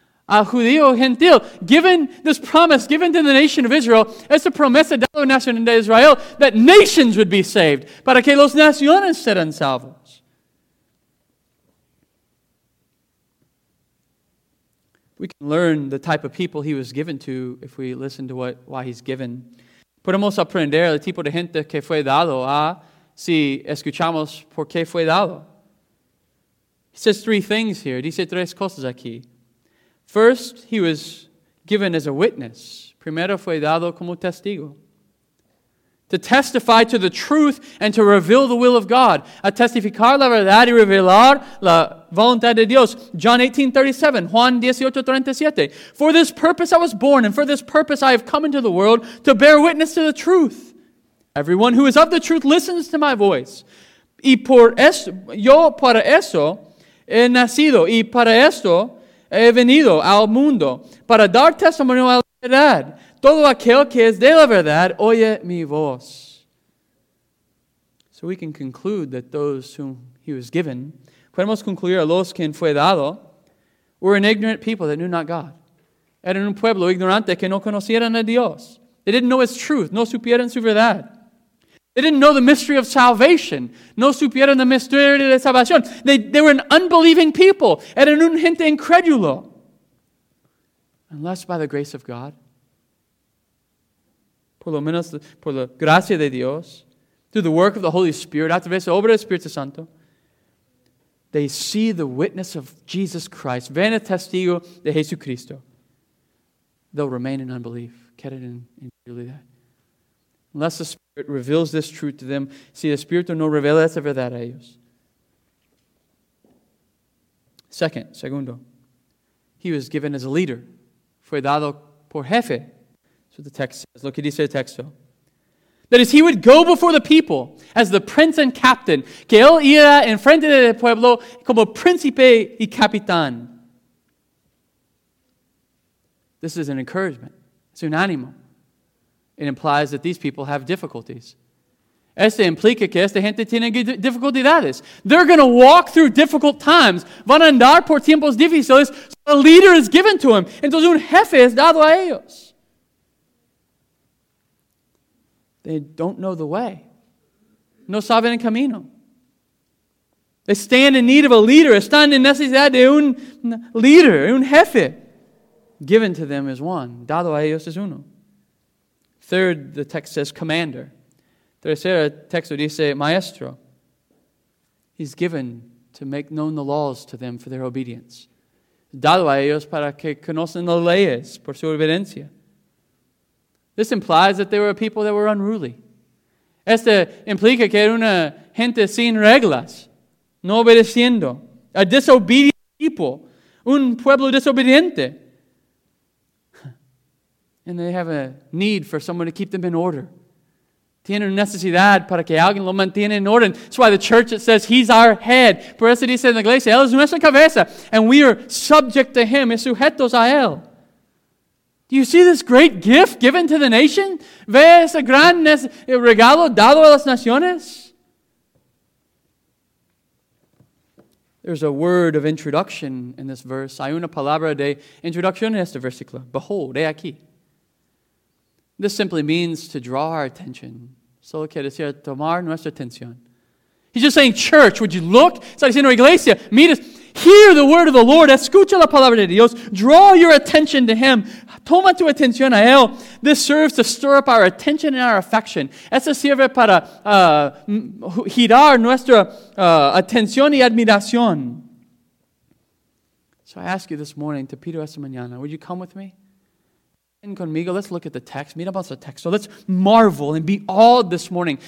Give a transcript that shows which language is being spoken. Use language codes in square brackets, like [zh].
[es] A judío gentil. [en] Given this promise, given to the nation of Israel, [es] es la promesa de la nación de Israel [en] that nations would be saved [es] para que las naciones sean salvos. [en] We can learn the type of people he was given to if we listen to what why he's given. [es] Podemos aprender el tipo de gente que fue dado a si escuchamos por qué fue dado. [en] He says three things here. [es] Dice tres cosas aquí. [en] First, he was given as a witness. [es] Primero fue dado como testigo. [en] To testify to the truth and to reveal the will of God. [es] A testificar la verdad y revelar la voluntad de Dios. [en] John 18:37. For this purpose I was born, and for this purpose I have come into the world, to bear witness to the truth. Everyone who is of the truth listens to my voice. [es] Y por eso, yo para eso he nacido. Y para esto he venido al mundo. Para dar testimonio a la verdad. Todo aquel que es de la verdad oye mi voz. [en] So we can conclude that those whom he was given, [es] podemos concluir a los quien fue dado, [en] were an ignorant people that knew not God. [es] Eran un pueblo ignorante que no conocieran a Dios. [en] They didn't know his truth. [es] No supieran su verdad. [en] They didn't know the mystery of salvation. [es] No supieron el misterio de la salvación. [en] They were an unbelieving people. [es] Eran un gente incrédulo. [en] Unless by the grace of God. [es] Por lo menos por la gracia de Dios. [en] Through the work of the Holy Spirit. [es] A través de la obra del Espíritu Santo. [en] They see the witness of Jesus Christ. [es] Ven el testigo de Jesucristo. [en] They'll remain in unbelief. [es] Quedan en incredulidad. [en] Unless the Spirit reveals this truth to them, [es] si el Espíritu no revela esa verdad a ellos. Segundo, [en] he was given as a leader. [es] Fue dado por jefe. [en] That's what the text says. [es] Lo que dice el texto. [en] That is, he would go before the people as the prince and captain. [es] Que él iba en frente del pueblo como príncipe y capitán. [en] This is an encouragement. It's [es] un ánimo. [en] It implies that these people have difficulties. [es] Este implica que esta gente tiene dificultades. [en] They're going to walk through difficult times. [es] Van a andar por tiempos difíciles. [en] So a leader is given to them. [es] Entonces un jefe es dado a ellos. [en] They don't know the way. [es] No saben el camino. [en] They stand in need of a leader. [es] Están en necesidad de un líder, un jefe. [en] Given to them is one. [es] Dado a ellos es uno. [en] Third, the text says commander. [es] Tercero, texto dice maestro. [en] He's given to make known the laws to them for their obedience. [es] Dado a ellos para que conocen las leyes por su obediencia. [en] This implies that they were a people that were unruly. [es] Este implica que era una gente sin reglas, no obedeciendo. [en] A disobedient people. [es] Un pueblo desobediente. [en] And they have a need for someone to keep them in order. [es] Tienen necesidad para que alguien lo mantiene en orden. [en] That's why the church, it says, he's our head. [es] Por eso dice en la iglesia, él es nuestra cabeza. [en] And we are subject to him, [es] y sujetos a él. [en] Do you see this great gift given to the nation? [es] ¿Ve ese gran regalo dado a las naciones? [en] There's a word of introduction in this verse. [es] Hay una palabra de introducción en este versículo. [en] Behold, [es] he aquí. [en] This simply means to draw our attention. [es] Solo quiere decir tomar nuestra atención. [en] He's just saying, church, would you look? [es] Está diciendo, iglesia, mira, [en] hear the word of the Lord. [es] Escucha la palabra de Dios. [en] Draw your attention to him. [es] Toma tu atención a él. [en] This serves to stir up our attention and our affection. [es] Esto sirve para girar nuestra atención y admiración. [en] So I ask you this morning, [es] te pido esta mañana, [en] would you come with me? [es] Conmigo, [en] let's look at the text. [es] Miramos el texto. [en] Let's marvel and be awed this morning.